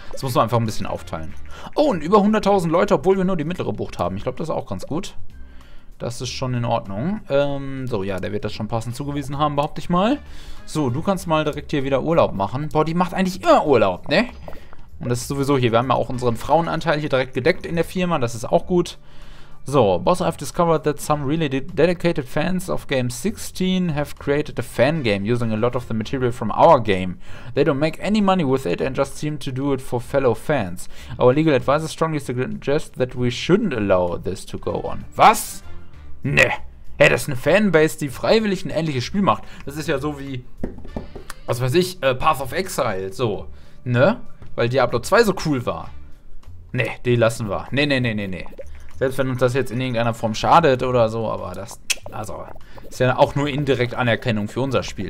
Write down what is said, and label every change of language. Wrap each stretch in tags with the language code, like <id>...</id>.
<de>Das muss man einfach ein bisschen aufteilen. Oh, und über 100.000 Leute, obwohl wir nur die mittlere Bucht haben. Ich glaube, das ist auch ganz gut. Das ist schon in Ordnung. So, ja, der wird das schon passend zugewiesen haben, behaupte ich mal. So, du kannst mal direkt hier wieder Urlaub machen. Boah, die macht eigentlich immer Urlaub, ne? Und das ist sowieso hier. Wir haben ja auch unseren Frauenanteil hier direkt gedeckt in der Firma. Das ist auch gut.</de> <en>So, Boss, I've discovered that some really dedicated fans of Game 16 have created a fan game using a lot of the material from our game. They don't make any money with it and just seem to do it for fellow fans. Our legal advisor strongly suggests that we shouldn't allow this to go on.</en> <de>Was? Ne. Hey, das ist eine Fanbase, die freiwillig ein ähnliches Spiel macht. Das ist ja so wie, was weiß ich, Path of Exile, so. Ne? Weil Diablo 2 so cool war. Ne, die lassen wir. Ne, ne, ne, ne, ne. Selbst wenn uns das jetzt in irgendeiner Form schadet oder so, aber das, also, ist ja auch nur indirekt Anerkennung für unser Spiel.</de>